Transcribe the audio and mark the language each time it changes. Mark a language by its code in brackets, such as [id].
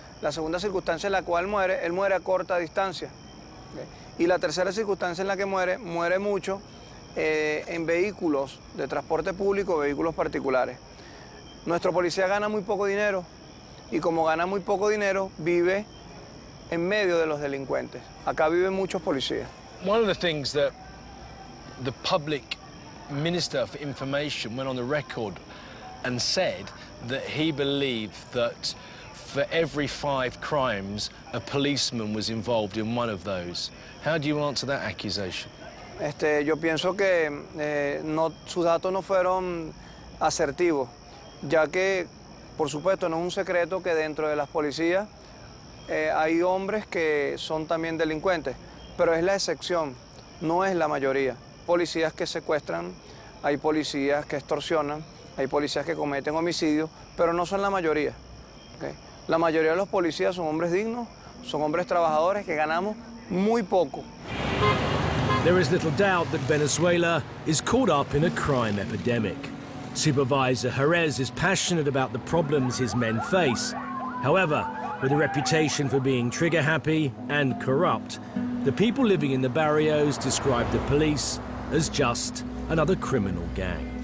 [es] La segunda circunstancia en la cual muere, él muere a corta distancia. Okay. Y la tercera circunstancia en la que muere, muere mucho en vehículos de transporte público, vehículos particulares. Nuestro policía gana muy poco dinero y como gana muy poco dinero, vive en medio de los delincuentes. Acá viven muchos policías. [en] One of the things that the public minister for information went on the record and said that he believed that for every 5 crimes, a policeman was involved in one of those. How do you answer that accusation? [es] Yo pienso que sus datos no fueron asertivos, ya que, por supuesto, no es un secreto que dentro de las policías hay hombres que son también delincuentes, pero es la excepción, no es la mayoría. Policías que secuestran, hay policías que extorsionan, hay policías que cometen homicidios, pero no son la mayoría. Okay? La mayoría de los policías son hombres dignos, son hombres trabajadores que ganamos muy poco. [en] There is little doubt that Venezuela is caught up in a crime epidemic. Supervisor Jerez is passionate about the problems his men face. However, with a reputation for being trigger happy and corrupt, the people living in the barrios describe the police as just another criminal gang.